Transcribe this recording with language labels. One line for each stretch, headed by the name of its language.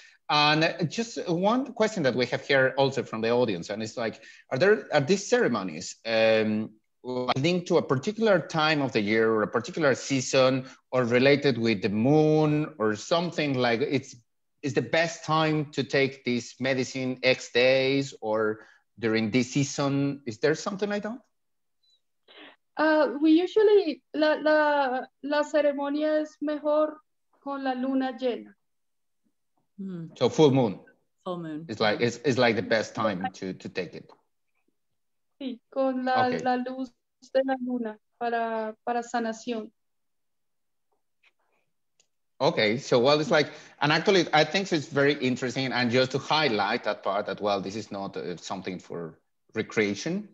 English: And just one question that we have here also from the audience, and it's like, are these ceremonies linked to a particular time of the year or a particular season or related with the moon or something? Like, is the best time to take this medicine X days or during this season? Is there something like that? We usually,
Spanish: la ceremonia es mejor con la luna llena.
English: So full moon. Full moon. It's like the best time to take it.
Spanish: Sí, con la, okay. La luz de la luna para sanación.
English: Okay, so well, it's like, and actually I think it's very interesting, and just to highlight that part that, well, this is not something for recreation.